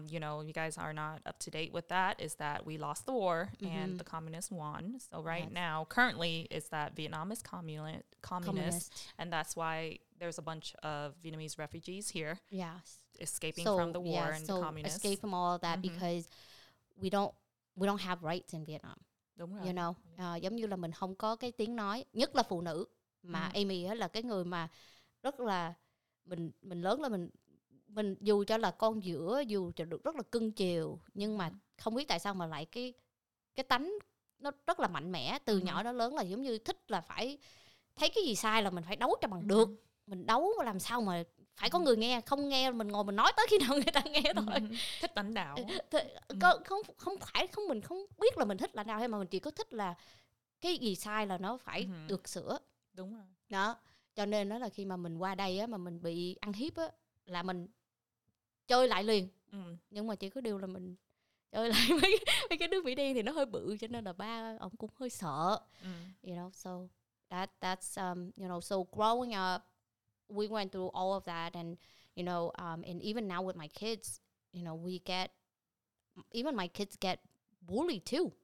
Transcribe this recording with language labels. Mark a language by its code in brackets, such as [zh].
[en] You know, you guys are not up to date with that, is that we lost the war and the communists won. So right now, currently, is that Vietnam is communist. And that's why there's a bunch of Vietnamese refugees here. Yes. Escaping so, from the war and the communists. Escape from all of that because we don't have rights in Vietnam. [vi] Đúng rồi. [en] You know, [vi] giống như là mình không có cái tiếng nói, nhất là phụ nữ. Mà Amy ấy là cái người mà rất là mình lớn là mình dù cho là con giữa, dù cho được rất là cưng chiều, nhưng mà không biết tại sao mà lại cái tánh nó rất là mạnh mẽ từ nhỏ đến lớn, là giống như thích là phải thấy cái gì sai là mình phải đấu cho bằng được. Mình đấu làm sao mà phải có người nghe, không nghe mình ngồi mình nói tới khi nào người ta nghe thôi. Thích lãnh đạo. Không phải mình không biết là mình thích lãnh đạo hay mà mình chỉ có thích là cái gì sai là nó phải được sửa. Đúng rồi. Đó. Cho nên đó là khi mà mình qua đây á, mà mình bị ăn hiếp á, là mình chơi lại liền. Nhưng mà chỉ có điều là mình chơi lại mấy cái đứa Mỹ đen thì nó hơi bự, cho nên là ba ông cũng hơi sợ. [en] You know, so that's you know, so growing up we went through all of that, and you know, and even now with my kids, you know, we get, even my kids get bullied too.